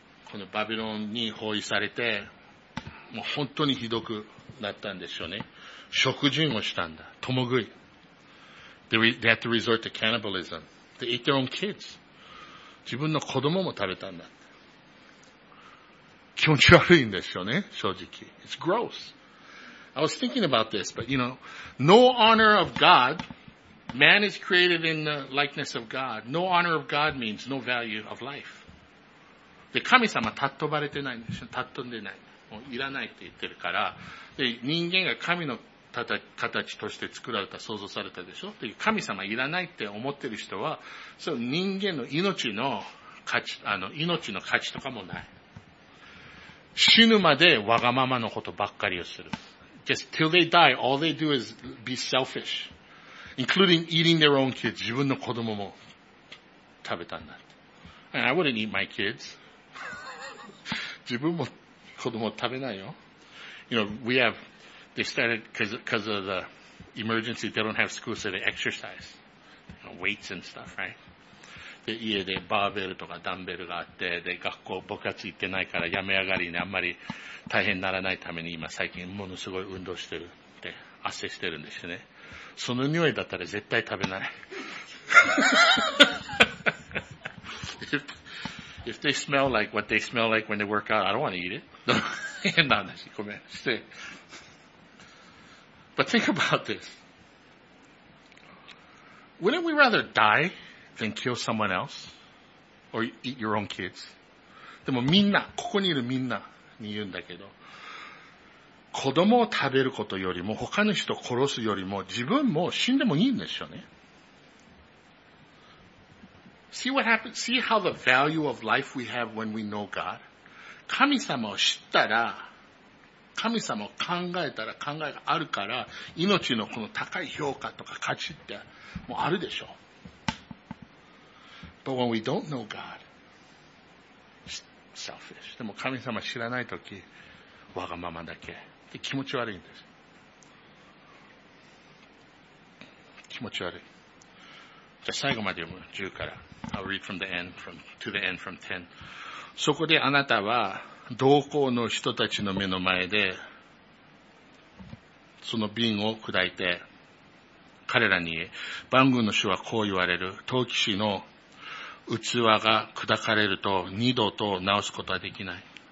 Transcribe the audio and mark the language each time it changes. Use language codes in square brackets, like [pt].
[ja] このバビロンに包囲されて、もう本当にひどく、なったんでしょうね。食人をしたんだ。共食い。 [en] They had to resort to cannibalism. They ate their own kids. [ja] 自分の子供も食べたんだ。気持ち悪いんでしょうね、正直。 [en] It's gross. I was thinking about this, but you know, no honor of God. Man is created in the likeness of God. No honor of God means no value of life. [ja] で、神様、尊ばれてないんでしょ。尊んでない。もういらないって言ってるから、で、人間が神の形として作られた、創造されたでしょ？で、神様いらないって思ってる人は、その人間の命の価値、命の価値とかもない。死ぬまでわがままのことばっかりをする。 [en] Just till they die, all they do is be selfish. including eating their own kids, [ja] 自分の子供も食べたんだ。 [en] And I wouldn't eat my kids. [ja] 自分も子供食べないよ。 [en] You know, we have, they started because of the emergency, they don't have school, so they exercise. You know, weights and stuff, right? [ja] で、家でバーベルとかダンベルがあって、で、学校、部活行ってないから、やめ上がりにあんまり大変ならないために今最近ものすごい運動してるって、圧制してるんですね。その匂いだったら絶対食べない。 [en] if they smell like what they smell like when they work out, I don't want to eat it. [ja] 変な話、ごめん、して。 [en] But think about this. Wouldn't we rather die? Then kill someone else or eat your own kids. [ja] でもみんな、ここにいるみんなに言うんだけど、子供を食べることよりも他の人を殺すよりも自分も死んでもいいんですよね。 [en] See what happens? See how the value of life we have when we know God? [ja] 神様を知ったら、神様を考えたら考えがあるから、命のこの高い評価とか価値ってもうあるでしょ。 [en] But when we don't know God, selfish. [ja] でも神様知らないとき、わがままだけ。で、気持ち悪いんです。気持ち悪い。じゃあ最後まで読む。10から。 [en] I'll read from the end, to the end from 10. [ja] そこであなたは、同行の人たちの目の前で、その瓶を砕いて、彼らに、万軍の主はこう言われる。陶器師の器が砕かれると二度と直すことはできない。